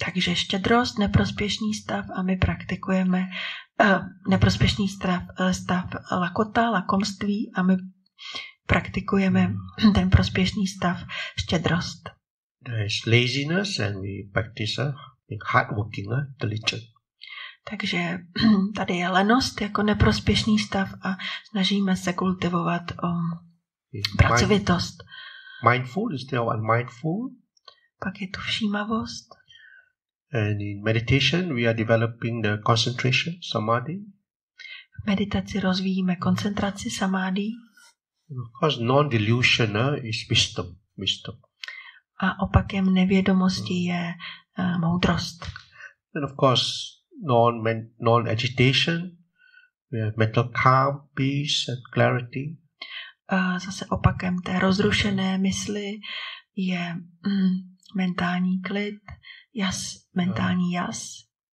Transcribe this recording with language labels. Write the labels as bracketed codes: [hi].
[cs] Takže štědrost, neprospěšný stav a my praktikujeme neprospěšný stav lakota, lakomství a my praktikujeme ten prospěšný stav štědrost. [en] There's laziness and we practice hardworking, diligent. [cs] Takže tady je lenost jako neprospěšný stav a snažíme se kultivovat pracovitost. [en] Mindful instead of unmindful. [cs] Pak je tu všímavost. [en] And in meditation we are developing the concentration, samadhi. [cs] V meditaci rozvíjíme koncentraci, samadhi. [en] Of course, non-delusion is wisdom. [cs] A opakem nevědomosti je moudrost. [en] And of course, non-agitation, we have mental calm, peace and clarity. [cs] Zase opakem té rozrušené mysli je mentální klid, jas, mentální jas.